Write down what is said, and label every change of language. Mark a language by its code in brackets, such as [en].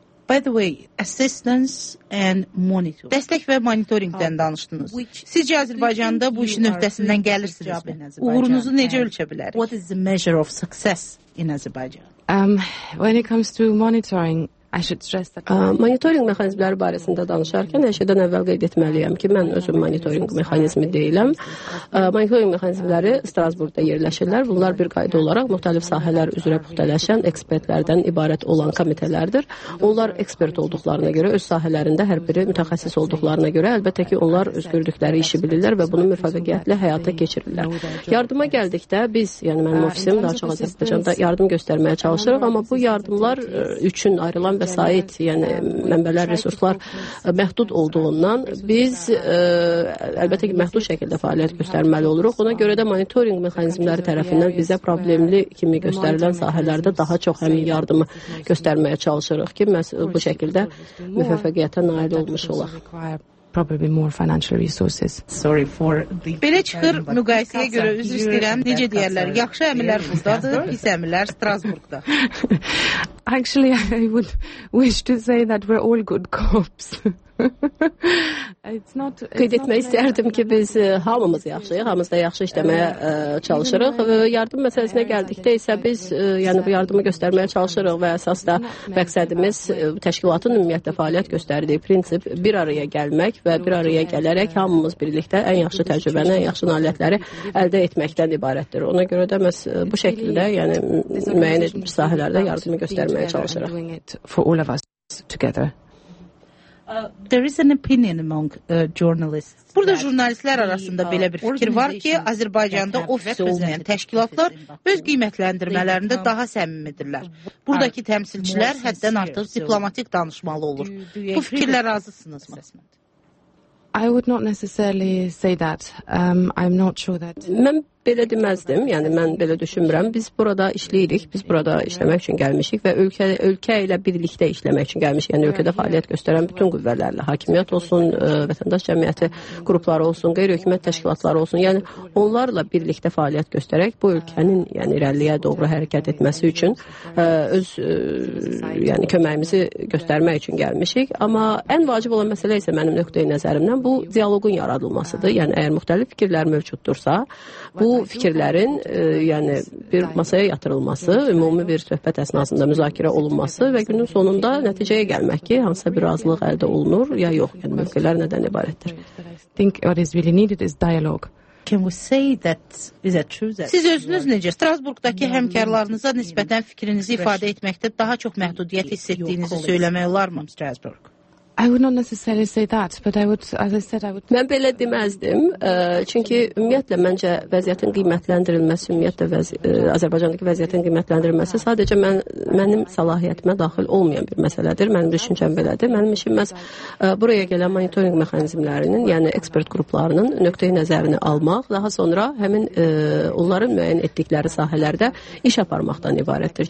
[en] By the way, assistance and monitoring. [az] Dəstək və monitorinqdən danışdınız. Sizcə Azərbaycanda bu işin öhdəsindən gəlirsiniz mi? Uğurunuzu necə ölçə bilərik? [en] What is the measure of success in Azerbaijan? When it comes to monitoring, I should stress that [az] monitoring mexanizmləri barəsində danışarkən hər şeydən əvvəl qeyd etməliyəm ki, mən özüm monitoring mexanizmi deyiləm. Monitoring mexanizmləri Strasburgda yerləşirlər. Bunlar bir qayda olaraq müxtəlif sahələr üzrə puxtələşən ekspertlərdən ibarət olan komitələrdir. Onlar ekspert olduqlarına görə, öz sahələrində hər biri mütəxəssis olduqlarına görə, əlbəttə ki, onlar öz gördükləri işi bilirlər və bunu müvəffəqiyyətlə həyata keçirirlər. Yardıma gəldikdə biz, yəni mənim ofisim daha çox Azərbaycanda yardım göstərməyə çalışırıq, amma bu yardımlar üçün ayrılan vəsait, yəni mənbələr, resurslar məhdud olduğundan biz əlbəttə ki, məhdud şəkildə fəaliyyət göstərməli oluruq. Ona görə də monitoring mexanizmləri tərəfindən bizə problemli kimi göstərilən sahələrdə daha çox həmin yardımı göstərməyə çalışırıq ki, məhz bu şəkildə müvəffəqiyyətə nail olmuş olaq. [en] Probably more financial resources. Sorry for the. [az] Belə çıxır müqayisəyə görə üzr istəyirəm. Necə deyərlər? Yaxşı əmirlər burdadır, pis əmirlər Strasburqda. [en] Actually, I would wish to say that we're all good cops. [az] Qeyd etmək istəyərdim ki, biz hamımız yaxşıyıq, hamımız da yaxşı işləməyə çalışırıq. Yardım məsələsinə gəldikdə isə biz yəni bu yardımı göstərməyə çalışırıq və əsas da məqsədimiz təşkilatın ümumiyyətlə fəaliyyət göstərdiyi prinsip bir araya gəlmək və bir araya gələrək hamımız birlikdə ən yaxşı təcrübəni, ən yaxşı nailiyyətləri əldə etməkdən ibarətdir. Ona görə də məhz bu şəkildə, yəni müəyyən sahələrdə yardımı göstərməyə çalışırıq. [en] There is an opinion among journalists. [az] Burada jurnalistlər arasında belə bir fikir var ki, Azərbaycanda ofis olmayan təşkilatlar öz qiymətləndirmələrində daha səmimidirlər. Buradakı təmsilçilər həddən artıq diplomatik danışmalı olur. Bu fikirlə razısınızmı? [en] I would not necessarily say that. I'm not sure that. [az] Mən belə deməzdim. Yəni mən belə düşünmürəm. Biz burada işləyirik. Biz burada işləmək üçün gəlmişik və ölkə ilə birlikdə işləmək üçün gəlmişik. Yəni ölkədə fəaliyyət göstərən bütün qüvvələrlə, hakimiyyət olsun, vətəndaş cəmiyyəti qrupları olsun, qeyri-hökumət təşkilatları olsun. Yəni onlarla birlikdə fəaliyyət göstərək bu ölkənin yəni irəliyə doğru hərəkət etməsi üçün öz yəni köməyimizi göstərmək üçün gəlmişik. Amma ən vacib olan məsələ isə mənim nöqteyi nəzərimdən bu dialoqun yaradılmasıdır. Yəni əgər müxtəlif fikirlər mövcuddursa, bu fikirlərin yəni bir masaya yatırılması, ümumi bir söhbət əsnasında müzakirə olunması və günün sonunda nəticəyə gəlmək ki, hansısa bir razılıq əldə olunur ya yox, yəni mövqelər nədən ibarətdir. [en] Think what is really needed is dialogue. Can we say that is that true that [az] siz özünüz necə Strasburqdakı həmkarlarınıza nisbətən fikrinizi ifadə etməkdə daha çox məhdudiyyət hiss etdiyinizi söyləmək olarmı Strasburq? [en] I would not necessarily say that, but I would, as I said, I would. [az] Mən belə deməzdim, çünki ümumiyyətlə məncə vəziyyətin qiymətləndirilməsi, ümumiyyətlə Azərbaycandakı vəziyyətin qiymətləndirilməsi sadəcə mənim səlahiyyətimə daxil olmayan bir məsələdir. Mənim düşüncəm belədir. Mənim işim məhz buraya gələn monitoring mexanizmlərinin, yəni ekspert qruplarının nöqteyi nəzərini almaq, daha sonra həmin onların müəyyən etdikləri sahələrdə iş aparmaqdan ibarətdir.